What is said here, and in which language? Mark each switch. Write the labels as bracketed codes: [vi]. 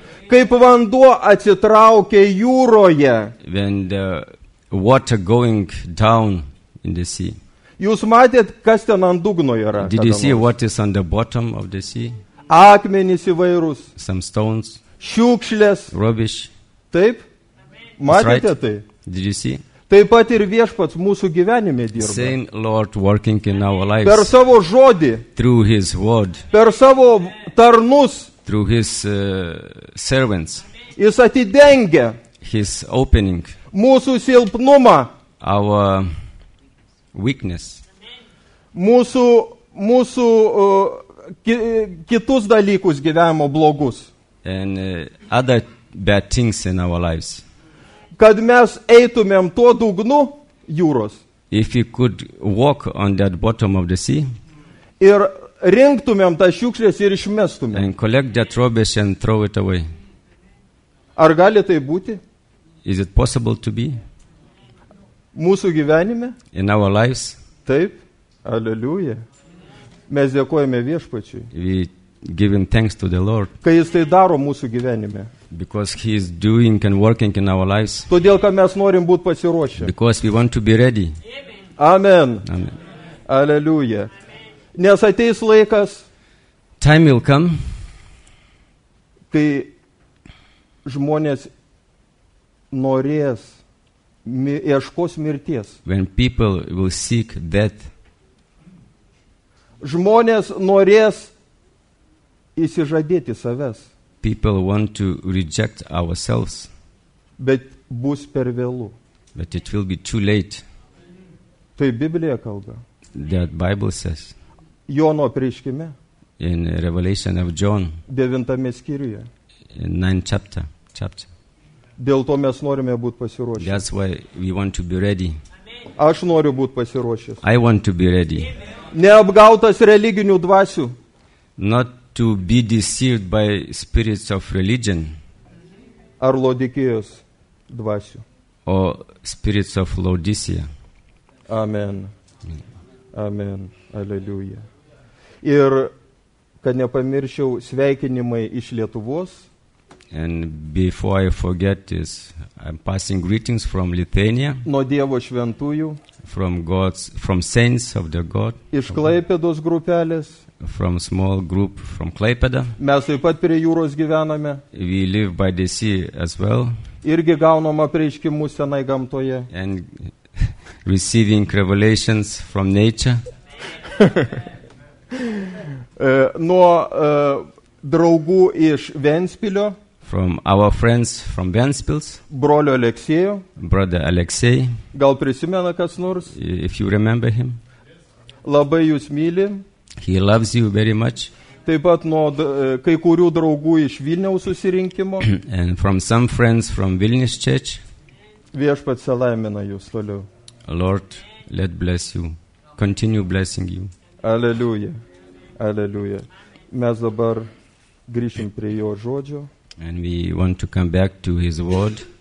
[lt] Kaip vanduo atsitraukia jūroje. [en] When the water going down in the sea. [lt] Jūs matėt, kas ten ant dugno yra? [en] Did you see what is on the bottom of the sea? [lt] Akmenys įvairūs. [en] Some stones. [lt] Šiukšlės. [en] Rubbish. [lt] Taip? Matėte [en] right. [lt] Tai? [en] Did you see? [lt] Taip pat ir Viešpats mūsų gyvenime dirba. [en] Same Lord working in our lives. [lt] Per savo žodį. [en] Through his word. [lt] Per savo tarnus. [en] Through his servants. [lt] Jis atidengia. [en] His opening. [lt] Mūsų silpnumą. [en] Our weakness. [lt] Mūsų kitus dalykus gyvenimo blogus. [en] And other bad things in our lives. [lt] Kad mes eitumėm tuo dugnu jūros. [en] If we could walk on that bottom of the sea. [lt] Ir rinktumėm tą šiukšlės ir išmestumėm. [en] And collect that rubbish and throw it away. [lt] Ar gali tai būti? [en] Is it possible to be? [lt] Mūsų gyvenime? [en] In our lives? [lt] Taip. Aleliuja. Mes dėkojame Viešpačiui. [en] We give him thanks to the Lord. [lt] Kai jis tai daro mūsų gyvenime. [en] Because he is doing and working in our lives. [lt] Todėl, kad mes norim būt pasiruošę. [en] Because we want to be ready. [lt] Amen. [en] Amen. [lt] Aleliuja. Nes ateis laikas. [en] Time will come. [lt] Kai žmonės norės. Ieškos mirties. [en] When people will seek death. [lt] Žmonės norės įsižadėti savęs. [en] People want to reject ourselves. [lt] Bet bus per vėlų. [en] But it will be too late. [lt] Tai Biblija kalba. [en] That Bible says. [lt] Jono apreiškime. [en] In Revelation of John. [lt] 9 skyriuje. [en] In 9 chapter. [lt] Dėl to mes norime būti pasiruošę. [en] That's why we want to be ready. [lt] Aš noriu būti pasiruošęs. [en] I want to be ready. [lt] Neapgautas religinių dvasių. [en] Not to be deceived by spirits of religion. [lt] Ar Laodikijos dvasių. [en] Or spirits of Laodicea. [lt] Amen. Amen. Aleliuja. Ir kad nepamirščiau sveikinimai iš Lietuvos. [en] And before I forget this, I'm passing greetings from Lithuania. [lt] Nuo Dievo šventųjų. [en] From saints of the God. [lt] Iš Klaipėdos grupelės. [en] From small group from Klaipėda. [lt] Mes taip pat prie jūros gyvename. [en] We live by the sea as well. [lt] Irgi gaunam apreiškimus senai gamtoje. [en] And receiving revelations from nature. [lt] draugų iš Ventspilio. [en] From our friends from Ventspils. [lt] Brolio Aleksėjo. [en] Brother Alexei. [lt] Gal prisimena kas nors? [en] If you remember him. [lt] Labai jūs myli. [en] He loves you very much. [lt] Taip pat nuo kai kurių draugų iš Vilniaus susirinkimo. [en] And from some friends from Vilnius church. [lt] Viešpats salaimina jūs toliau. [en] Lord, let bless you. Continue blessing you. [lt] Aleliuja. Aleliuja. Mes dabar grįšim prie jo žodžio. [en] And we want to come back to his word.